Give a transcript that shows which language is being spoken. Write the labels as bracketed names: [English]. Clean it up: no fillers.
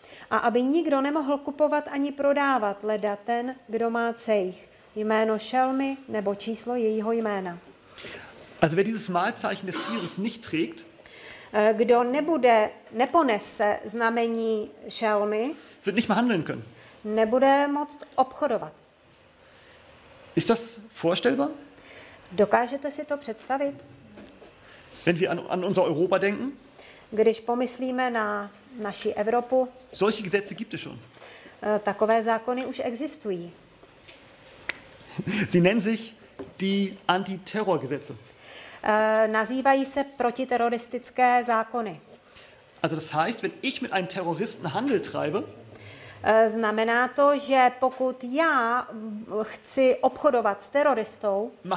[Czech] A aby nikdo nemohl kupovat ani prodávat, leda ten, kdo má cejch, jméno šelmy nebo číslo jejího jména. [German] Also wer dieses Mahlzeichen des Tieres nicht trägt. [Czech] Kdo nebude, neponese znamení šelmy. [German] Wird nicht mehr handeln können. [Czech] Nebude moct obchodovat. [German] Ist das vorstellbar? [Czech] Dokážete si to představit? [German] Wenn wir an unser Europa denken? [Czech] Když pomyslíme na naši Evropu. [German] Solche Gesetze gibt es schon. [Czech] Takové zákony už existují. [German] Sie nennen sich die Antiterrorgesetze. [Czech] Nazývají se protiteroristické zákony. [German] Also das heißt, wenn ich mit einem Terroristen Handel treibe, [Czech] znamená to, že pokud já chci obchodovat s teroristou,